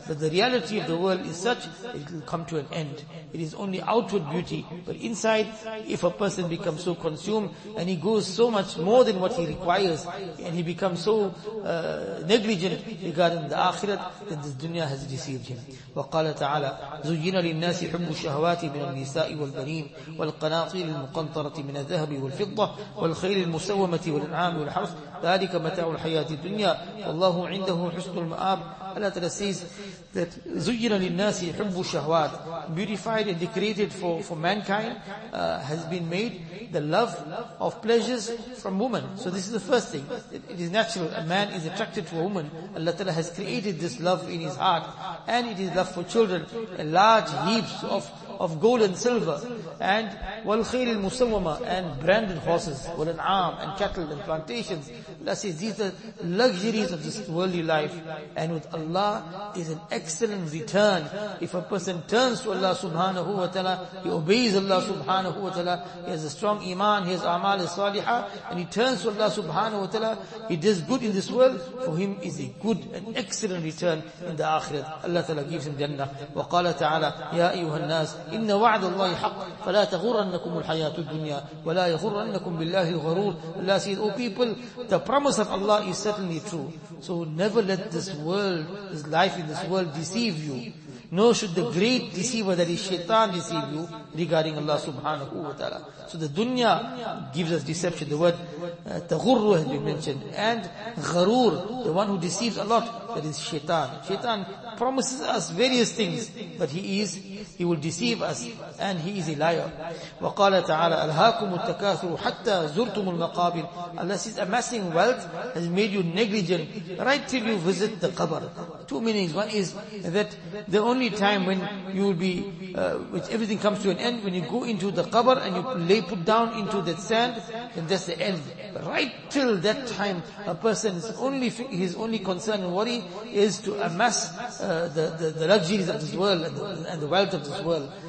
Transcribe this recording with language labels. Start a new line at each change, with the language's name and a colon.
English: But the reality of the world is such, it will come to an end. It is only outward beauty. But inside, if a person becomes so consumed and he goes so much more than what he requires, and he becomes so negligent regarding the akhirat, then this dunya has deceived him.
Arabic: وَقَالَ تَعَالَى زُيِّنَ لِلنَّاسِ حُبُّ الشَّهَوَاتِ مِنَ النِّسَاءِ وَالْبَنِينَ والقناطير المقنطرة من الذهب والفضة والخيل المسومة والأنعام والحرث ذلك متاع الحياة الدنيا والله عنده حسن المآب.
English: Allah Ta'ala says that
Arabic: زُيِّنَ لِلنَّاسِ حُبُّ الشَّهْوَاتِ,
English: beautified and decorated for mankind, has been made the love of pleasures from women. So this is the first thing. It is natural. A man is attracted to a woman. Allah Ta'ala has created this love in his heart, and it is love for children, a large heaps of gold and silver, and
Arabic: وَالْخَيْرِ الْمُسَوَّمَةِ,
English: and branded horses,
Arabic: وَالْأَنْعَامِ,
English: and cattle and plantations. Allah says these are luxuries of this worldly life, and with Allah is an excellent return. If a person turns to Allah subhanahu wa ta'ala, he obeys Allah subhanahu wa ta'ala, he has a strong iman, he has amal as-saliha, and he turns to Allah subhanahu wa ta'ala, he does good in this world, for him is a good and excellent return in the akhirat. Allah ta'ala gives him jannah.
Arabic: وَقَالَ تَعَالَى يَا أَيُّهَا النَّاسِ إن وعد الله حق فلا تغرنكم الحياة الدنيا ولا يغرنكم بالله الغرور.
English: Allah says, O people, the promise of Allah is certainly true. So never let this world, this life in this world deceive you. Nor should the great deceiver, that is Shaitan, deceive you regarding Allah subhanahu wa ta'ala. So the dunya gives us deception. The word taghurru has been mentioned. And gharur, the one who deceives a lot, that is Shaitan. Shaitan promises us various things, but he will deceive us, and he is a liar.
Arabic: وَقَالَ تَعَالَى أَلْهَاكُمُ التَّكَاثُرُ حَتَّى زُرْتُمُ الْمَقَابِرِ.
English: Allah says, amassing wealth has made you negligent right till you visit the qabr. Two meanings. One is that the only time when you will be, which everything comes to an end, when you go into the qabr and you lay put down into that sand, then that's the end. But right till that time, a person's only, his only concern and worry is to amass the luxuries of this world and the wealth of this world.